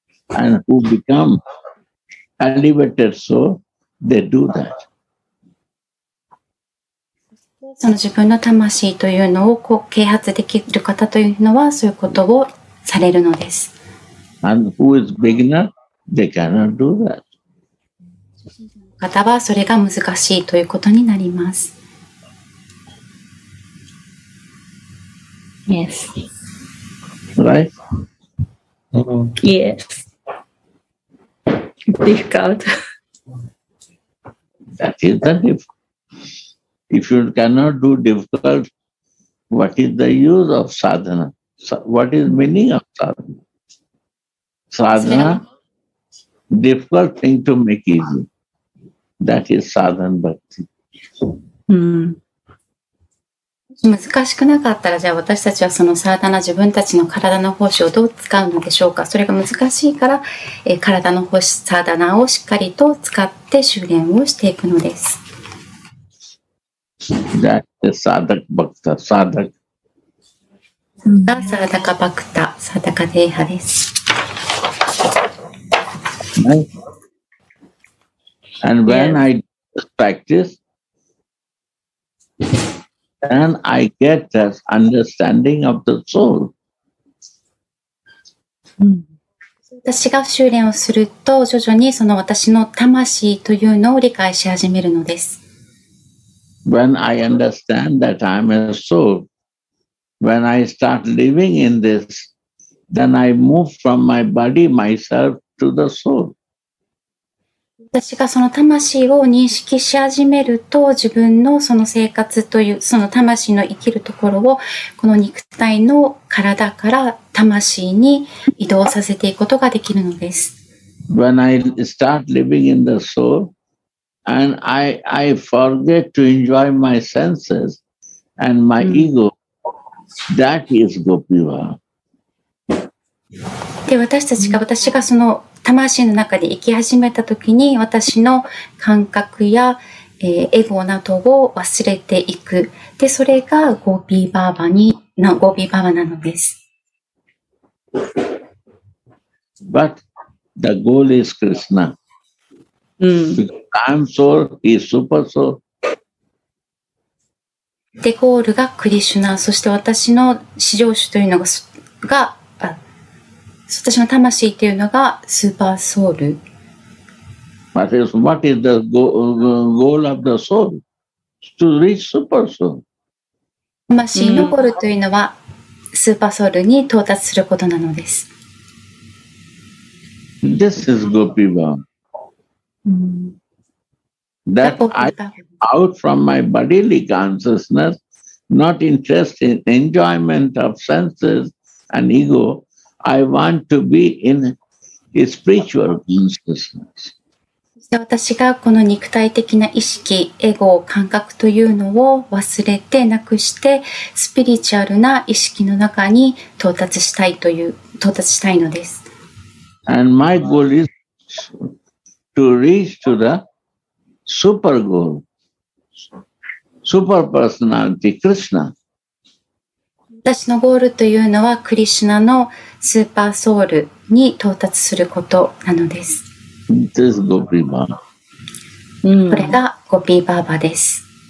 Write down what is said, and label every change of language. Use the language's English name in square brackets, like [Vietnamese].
[English] And who become elevated soul, they do that. [Japanese] その自分の魂というのをこう啓発できる方というのはそういうことをされるのです。 [English] And who is beginner, they cannot do that. [Japanese] 方はそれが難しいということになります。 [English] Yes. Right? Yes. Difficult. That is the difficultIf you cannot do difficult, what is the use of sadhana? What is the meaning of sadhana? Sadhana, difficult thing to make easy. That is sadhan bhakti. Hmm. [Japanese] 難しくなかったら、じゃあ私たちはそのサーダナ、自分たちの体の奉仕をどう使うのでしょうか。それが難しいから、体の奉仕、サーダナをしっかりと使って修練をしていくのです。 [English] That is sadhak bhakta, sadhak. [Japanese] がサラダカバクタ、サラダカデーハです。 [English] Right. And when I practice, then I get that understanding of the soul. [Japanese] 私が修練をすると、徐々にその私の魂というのを理解し始めるのです。 [English] When I understand that I'm a soul,When I start living in this, then I move from my body, myself, to the soul. [Japanese] 私がその魂を認識し始めると、自分のその生活という、その魂の生きるところを、この肉体の体から魂に移動させていくことができるのです。 [English] When I start living in the soul, and I forget to enjoy my senses and my ego,That is Gopiva. [Japanese] で、私たちが、私がその魂の中で生き始めたときに、私の感覚や、エゴなどを忘れていく。で、それがゴピーバーバに、ゴピーバーバなのです。 [English] But the goal is Krishna. I'm soul, he's super soul. [Japanese] で、ゴールがクリシュナ、そして私の至上主というのが、私の魂というのがスーパーソウル。 [English] What is, what is the goal of the soul? To reach super soul. [Japanese] 魂のゴールというのは、スーパーソウルに到達することなのです。 [English] This is Gopiva. That I out from my bodily consciousness, not interested in enjoyment of senses and ego, I want to be in spiritual consciousness. [Japanese] 私がこの肉体的な意識、エゴ、感覚というのを忘れてなくして、スピリチュアルな意識の中に到達したいという、到達したいのです。 [English] And my goal is to reach to the super goal. Super personality, Krishna. [Japanese] 私のゴールというのは、クリシュナのスーパーソウルに到達することなのです。 [English] This is Gopi Baba. [Japanese] これがゴピーバーバです。